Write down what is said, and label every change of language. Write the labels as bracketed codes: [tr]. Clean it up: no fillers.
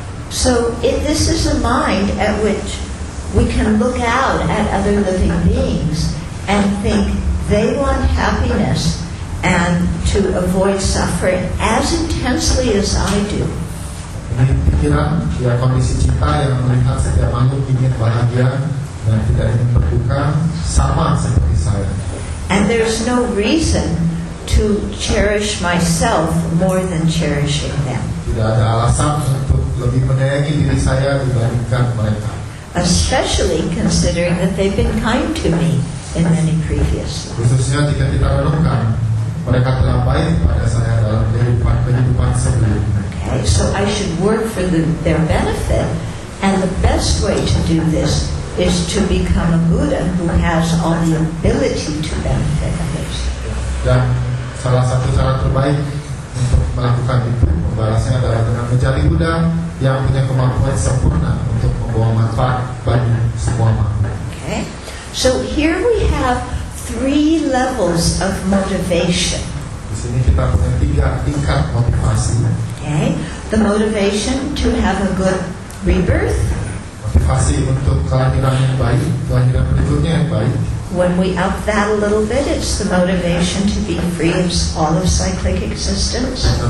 [en] So if this is a mind at which we can look out at other living beings and think they want happiness and to avoid suffering as intensely as I do. [id] Ini pikiran ya, kondisi cinta yang melihat setiap makhluk ingin bahagia dan tidak ingin berduka sama seperti saya. [en] And there's no reason to cherish myself more than cherishing them. [id] Tidak ada alasan untuk lebih menyayangi diri saya dibandingkan mereka. [en] Especially considering that they've been kind to me in many previous lives. [id] Khususnya jika kita renungkan, mereka telah baik pada saya dalam kehidupan sebelumnya. [en] Okay, so I should work for their benefit, and the best way to do this is to become a Buddha who has all the ability to benefit others. [id] Dan salah satu cara terbaik untuk melakukan itu, membalasnya adalah dengan menjadi Buddha yang punya kemampuan sempurna untuk membawa manfaat bagi semua makhluk. [en] Okay. So here we have three levels of motivation. [id] Di sini kita punya tiga tingkat motivasi. [en] Okay. The motivation to have a good rebirth. [id] Motivasi untuk kelahiran yang baik, kelahiran berikutnya yang baik. [en] When we up that a little bit, it's the motivation to be free of all of cyclic existence.